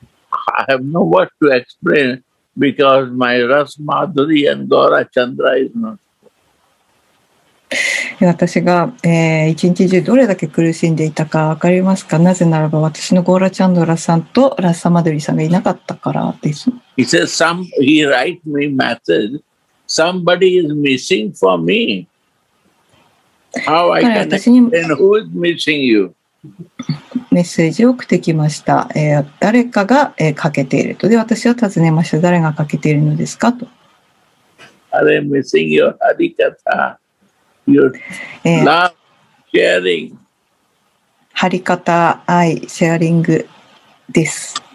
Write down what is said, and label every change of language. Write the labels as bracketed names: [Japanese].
[English] I have no word to explain because my Ras Madhuri and Gaura Chandra is not. [Japanese] 私が、一日中どれだけ苦しんでいたか分かりますか？なぜならば私のゴーラチャンドラさんとラッサマドリさんがいなかったからです。 [English] He says he write me message. Somebody is missing for me. How I can explain who is missing you? [Japanese] メッセージを送ってきました。誰かが、欠けていると。で、私は尋ねました。誰が欠けているのですかと。 [English] Are you missing your Harikatha? Your love sharing. [Japanese] ハリカタ愛シェアリングです。